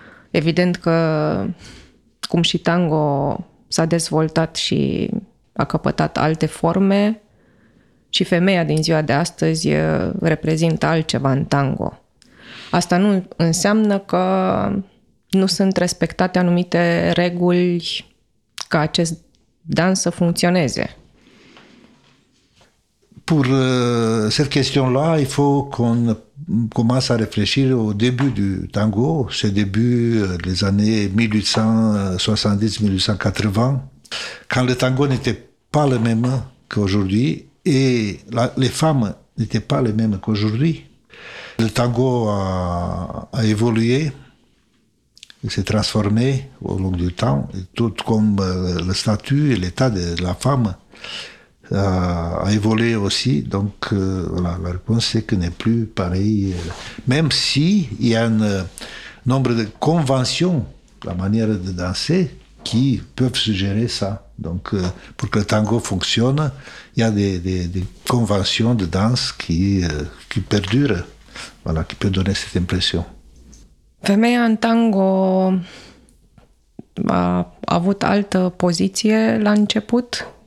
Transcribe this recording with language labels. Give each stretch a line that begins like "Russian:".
Romanian: Evident că cum și tango s-a dezvoltat și a căpătat alte forme și femeia din ziua de astăzi reprezintă altceva în tango. Asta nu înseamnă că nu sunt respectate anumite reguli ca acest dans să funcționeze.
French: Pour cette question-là, il faut qu'on commence à réfléchir au début du tango, ce début des années 1870-1880, quand le tango n'était pas le même qu'aujourd'hui et les femmes n'étaient pas les mêmes qu'aujourd'hui. Le tango a évolué, s'est transformé au long du temps, tout comme le statut et l'état de la femme. A évolué aussi, donc voilà, la réponse c'est que n'est plus pareil, même si il y a un nombre de conventions, la manière de danser, qui peuvent suggérer ça. Donc pour que le tango fonctionne, il y a des conventions de danse qui perdurent, voilà, qui peuvent donner cette impression.
Romanian: Femeia în tango a avut altă poziție la început.